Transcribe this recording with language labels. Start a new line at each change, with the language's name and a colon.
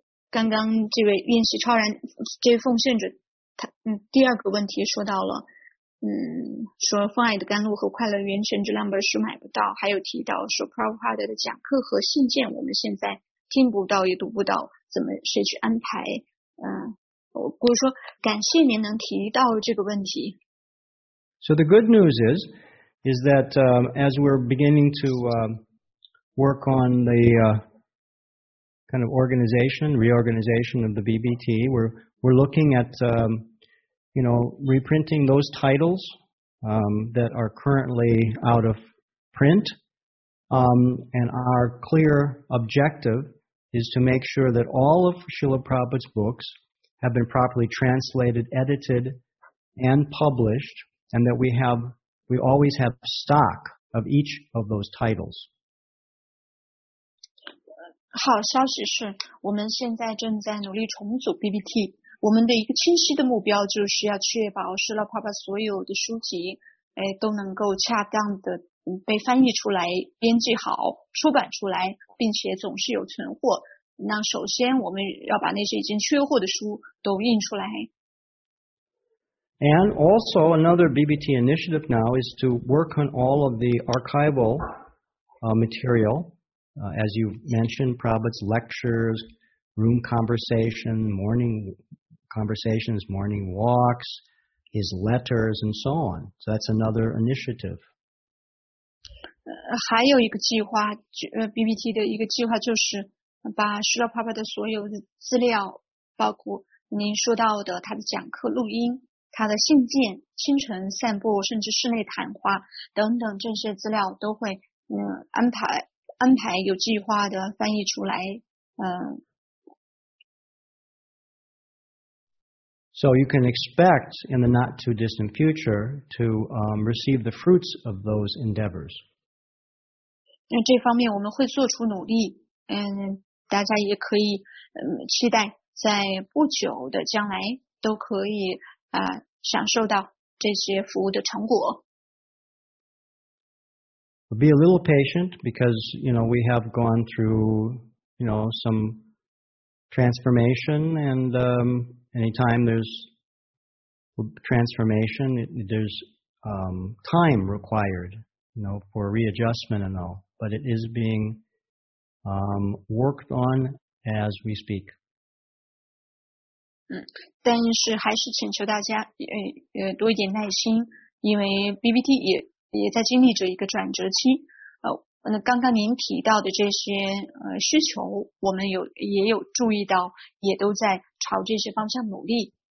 Chinese: 刚刚这位运气超然，这位奉献者，他第二个问题说到了，说《奉爱的甘露》和《快乐源泉》这两本书买不到，还有提到说 Prabhupada 的讲课和信件我们现在听不到也读不到，怎么谁去安排？我就说感谢您能提到这个问题。
English: So the good news is. is that as we're beginning to work on the kind of organization, reorganization of the BBT, we're looking at you know, reprinting those titles that are currently out of print. And our clear objective is to make sure that all of Srila Prabhupada's books have been properly translated, edited, and published, and that we always have stock of each of those titles.
Chinese: 好，消息是，我们现在正在努力重组 BBT。我们的一个清晰的目标就是要确保是了爸爸所有的书籍，哎，都能够恰当的被翻译出来、编辑好、出版出来，并且总是有存货。那首先，我们要把那些已经缺货的书都印出来。
English: And also another BBT initiative now is to work on all of the archival material. As you mentioned, Prabhupada's lectures, room conversation, morning conversations, morning walks, his letters, and so on. So that's another initiative.
Chinese: 还有一个计划 ，BBT 的一个计划就是把释迦牟尼佛的所有的资料，包括您说到的他的讲课录音、他的信件、清晨散步，甚至室内谈话等等这些资料，都会安排有计划的翻译出来。
English: So you can expect in the not too distant future to receive the fruits of those endeavors.
Chinese: 那这方面我们会做出努力，大家也可以期待在不久的将来都可以享受到这些服务的成果。
English: Be a little patient because, you know, we have gone through, you know, some transformation and anytime there's transformation, there's time required, you know, for readjustment and all. But it is being worked on as we speak.
Chinese: 但是还是请求大家多一点耐心，因为 BBT 也在经历着一个转折期。那刚刚您提到的这些需求，我们也有注意到，也都在朝这些方向努力。